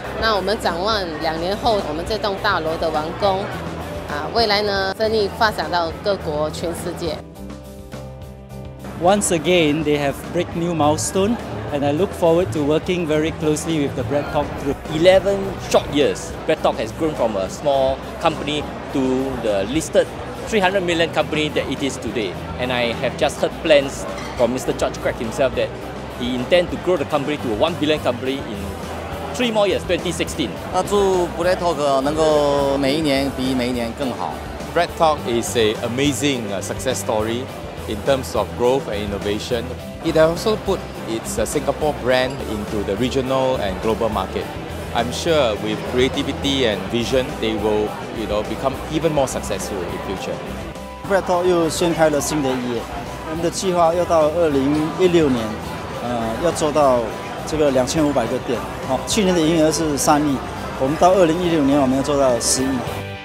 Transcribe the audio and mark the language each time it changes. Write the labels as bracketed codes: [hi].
[zh] 那我们展望两年后，我们这栋大楼的完工，未来呢，生意发展到各国、全世界。 [en] Once again, they have break new milestone, and I look forward to working very closely with the breadtalk Group. 11 short years, breadtalk has grown from a small company to the listed 300 million company that it is today. And I have just heard plans from Mr. George Craig himself that he intends to grow the company to a 1 billion company in 3 more years, 2016. [zh] 那祝 breadtalk 能够每一年比每一年更好。 [en] breadtalk is an amazing success story. In terms of growth and innovation, it also put its Singapore brand into the regional and global market. I'm sure with creativity and vision, they will, you know, become even more successful in future. [zh] breadtalk 又掀开了新的一页，我们的计划要到2016年，要做到这个2500个店。好，去年的营业额是3亿，我们到2016年，我们要做到10亿。